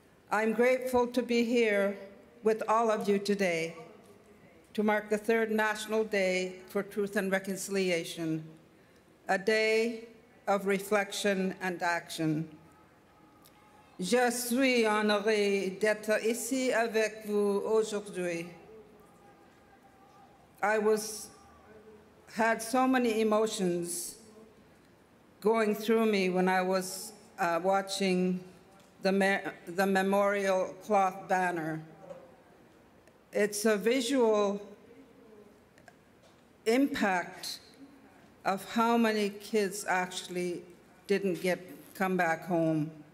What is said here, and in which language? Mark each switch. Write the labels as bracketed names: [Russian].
[English] I'm grateful to be here with all of you today to mark the third National Day for Truth and Reconciliation, a day of reflection and action. [French] Je suis honoré d'être ici avec vous aujourd'hui. [English] I was had so many emotions going through me when I was watching the memorial cloth banner. It's a visual impact of how many kids actually didn't get come back home.